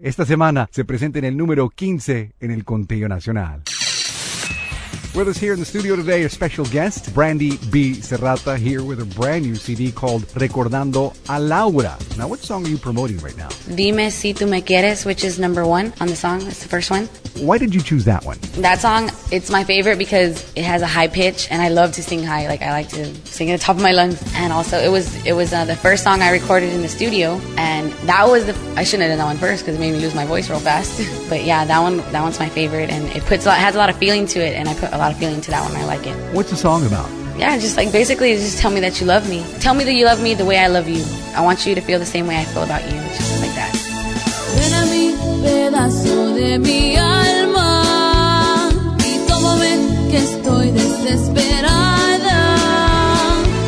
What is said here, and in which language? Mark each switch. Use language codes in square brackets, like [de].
[es] Esta semana se presenta en el número 15 en el conteo nacional. [en] With us here in the studio today, a special guest, Brandy B. Serrata, here with a brand new CD called Recordando a Laura. Now, what song are you promoting right now? Dime Si Tú Me Quieres, which is number one on the song. It's the first one. Why did you choose that one? That song, it's my favorite because it has a high pitch, and I love to sing high. Like, I like to sing at the top of my lungs. And also, it was the first song I recorded in the studio, and that was the... I shouldn't have done that one first because it made me lose my voice real fast. But yeah, that one's my favorite, and it has a lot of feeling to it, and I put a lot of feeling to that one. I like it. What's the song about? Yeah, just like basically just tell me that you love me. Tell me that you love me the way I love you. I want you to feel the same way I feel about you. Just like that. [es] Ven a mi pedazo de mi alma y tómame que estoy desesperada.